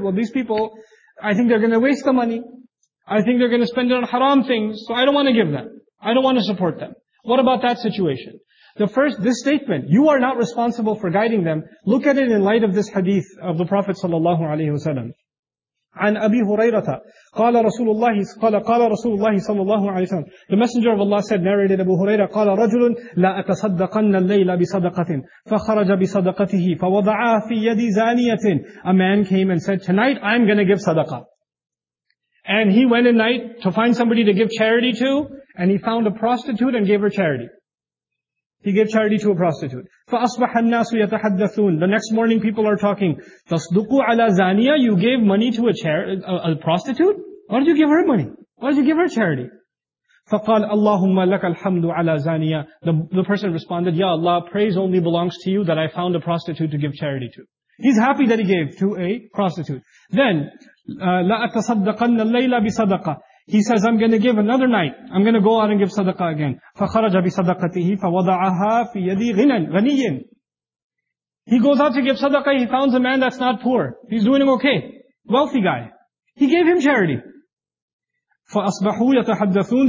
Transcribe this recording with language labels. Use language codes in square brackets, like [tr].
[en] Well, these people, I think they're going to waste the money. I think they're going to spend it on haram things, so I don't want to give them. I don't want to support them. What about that situation? This statement, you are not responsible for guiding them. Look at it in light of this hadith of the Prophet sallallahu alaihi wasallam. [ar] عن أبي هريرة قال رسول الله قال رسول الله صلى الله عليه وسلم. [en] The messenger of Allah said, narrated Abu Huraira, [ar] قال رجل لا أتصدقن الليل بصدقة فخرج بصدقته فوضعها في يد زانية. [en] A man came and said, tonight I'm going to give sadaqah. And he went at night to find somebody to give charity to, and he found a prostitute and gave her charity. He gave charity to a prostitute. [ar] فَأَصْبَحَ النَّاسُ يَتَحَدَّثُونَ. [en] The next morning people are talking. [ar] تَصْدُقُوا عَلَى زَانِيَا. [en] You gave money to a prostitute? Why did you give her money? Why did you give her charity? [ar] فَقَالَ اللَّهُمَّ لَكَ الْحَمْدُ عَلَى زَانِيَا. [en] The person responded, Ya Allah, praise only belongs to you that I found a prostitute to give charity to. He's happy that he gave to a prostitute. Then, [ar] لَأَتَصَدَّقَنَّ اللَّيْلَ بِصَدَقَةٍ. [en] He says, I'm going to give another night. I'm going to go out and give sadaqah again. [ar] فَخَرَجَ بِصَدَقَتِهِ فَوَضَعَهَا فِي يَدِي غَنِيٍ. [en] He goes out to give sadaqah. He founds a man that's not poor. He's doing okay. Wealthy guy. He gave him charity. [ar] فَأَصْبَحُوا يَتَحَدَّثُونَ.